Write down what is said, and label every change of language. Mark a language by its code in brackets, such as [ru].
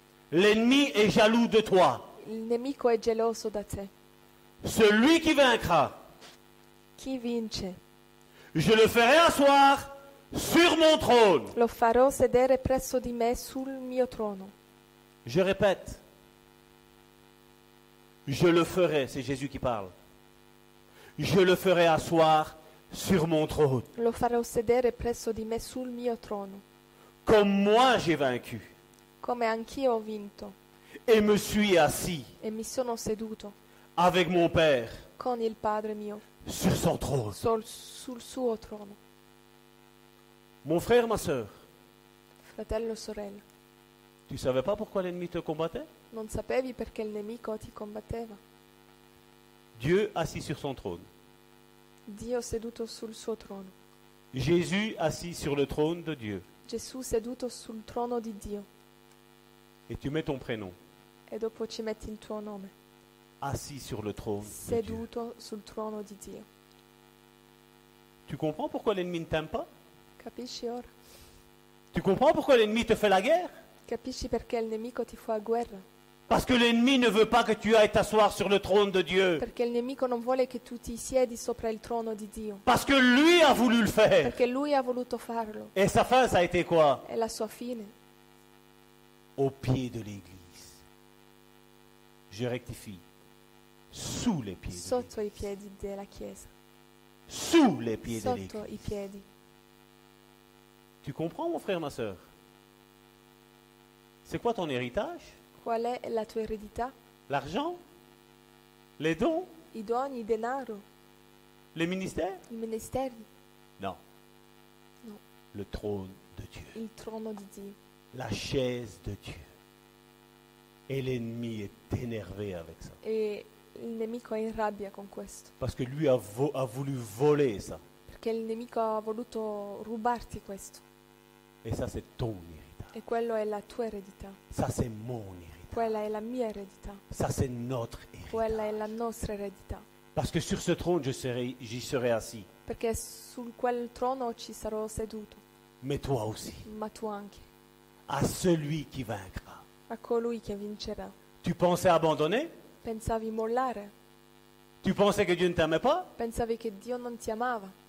[fr] L'ennemi est jaloux de toi. [it] Il nemico è geloso da te. [fr] Celui qui vaincra. [it] Chi vince. [fr] Je le ferai asseoir sur mon trône. [it] Lo farò sedere presso di me sul mio trono. [fr] Je répète. Je le ferai, c'est Jésus qui parle. Je le ferai asseoir sur mon trône. [it] Lo farò sedere presso di me sul mio trono. [fr] Comme moi j'ai vaincu. [it] Come anch'io ho vinto. [fr] Et me suis assis. [it] E mi sono seduto. [fr] Avec mon père. [it] Con il padre mio. [fr] sur son trône. [it] Sul suo trono. [fr] Mon frère, ma sœur. [it] Fratello, sorella. [fr] Tu savais pas pourquoi l'ennemi te combattait? [it] Non sapevi perché il nemico ti combatteva. [fr] Dieu assis sur son trône. [it] Dio seduto sul suo trono. [fr] Jésus assis sur le trône de Dieu. [it] Gesù seduto sul trono di Dio. [fr] Et tu mets ton prénom. [it] E dopo ci metti il tuo nome. [fr] Assis sur le trône. [it] Seduto sul trono di Dio. [fr] Tu comprends pourquoi l'ennemi ne t'aime pas? [it] Capisci ora? [fr] Tu comprends pourquoi l'ennemi te fait la guerre? [it] Capisci perché il nemico ti fa guerra? [fr] Parce que l'ennemi ne veut pas que tu ailles t'asseoir sur le trône de Dieu. [it] Perché il nemico non vuole che tu ti siedi sopra il trono di Dio. [fr] Parce que lui a voulu le faire. [it] Perché lui ha voluto farlo. [fr] Et sa fin, ça a été quoi? [it] E la sua fine. [fr] Au pied de l'église. Je rectifie. Sous les pieds. [it] Sotto i piedi della chiesa. [fr] Sous les pieds [it] sotto [fr] de l'église. [it] Sotto i piedi. [fr] Tu comprends, mon frère, ma sœur? C'est quoi ton héritage? [it] Qual è la tua eredità? [fr] L'argent? Les dons? [it] I doni, il denaro. [fr] Les ministères? [it] I ministeri. [fr] Non. [it] Non. [fr] Le trône de Dieu. [it] Il trono di Dio. [fr] La chaise de Dieu. Et l'ennemi est énervé avec ça. [it] E il nemico è in rabbia con questo. [fr] Parce que lui a voulu voler ça. [it] Perché il nemico ha voluto rubarti questo. [fr] Et ça c'est ton héritage. [it] E quello è la tua eredità. [fr] Ça c'est mon héritage. [it] Quella è la mia eredità. [fr] Ça c'est notre héritage. [it] Quella è la nostra eredità. [fr] Parce que sur ce trône j'y serai assis. [it] Perché su quel trono ci sarò seduto. [fr] Mais toi aussi. [it] Ma tu anche. [fr] À celui qui vaincra. [it] A colui che vincerà. [fr] Tu pensais abandonner? [it] Pensavi mollare. [fr] Tu pensais que Dieu ne t'aimait pas? [it] Pensavi che Dio non ti amava.